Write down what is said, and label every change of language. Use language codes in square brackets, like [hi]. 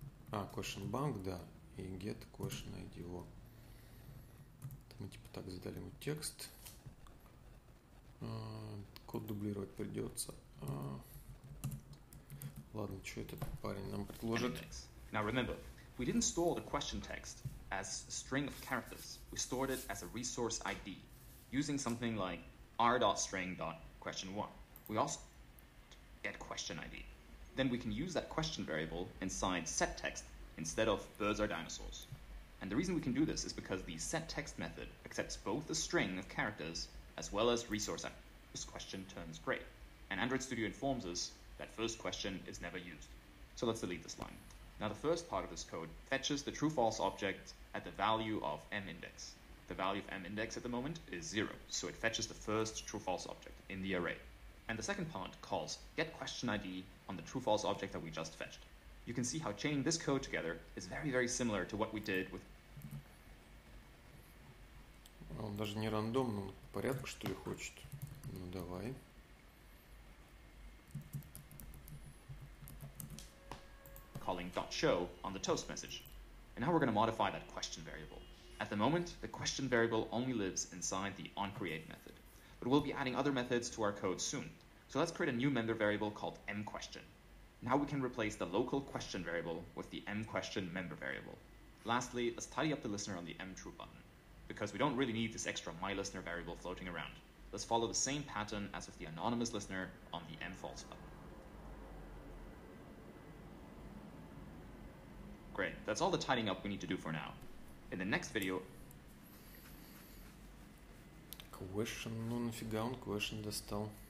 [ru] А, question bank, да. И get question ID. Мы типа так задали ему текст. Код дублировать придется. Ладно, что этот парень нам предложит? [en] Now remember, we didn't store the question text as a string of characters. We stored it as a resource ID, using something like r.string.question1. We also get question ID. Then we can use that question variable inside set text instead of birds are dinosaurs. And the reason we can do this is because the set text method accepts both a string of characters as well as resource ID. This question turns great, and Android Studio informs us that first question is never used. So let's delete this line. Now the first part of this code fetches the true-false object at the value of mindex. The value of mindex at the moment is 0, so it fetches the first true-false object in the array. And the second part calls getQuestionID on the true-false object that we just fetched. You can see how chaining this code together is very, very similar to what we did with... [ru] Он даже не рандомно, он порядок, что ли, хочет. Ну, давай. [en] Calling .show on the toast message. And now we're going to modify that question variable. At the moment, the question variable only lives inside the onCreate method. But we'll be adding other methods to our code soon. So let's create a new member variable called mQuestion. Now we can replace the local question variable with the mQuestion member variable. Lastly, let's tidy up the listener on the mTrue button, because we don't really need this extra myListener variable floating around. Let's follow the same pattern as with the anonymous listener on the mFalse button. Great, that's all the tidying up we need to do for now. In the next video... [ru] Question, ну нафига он question достал?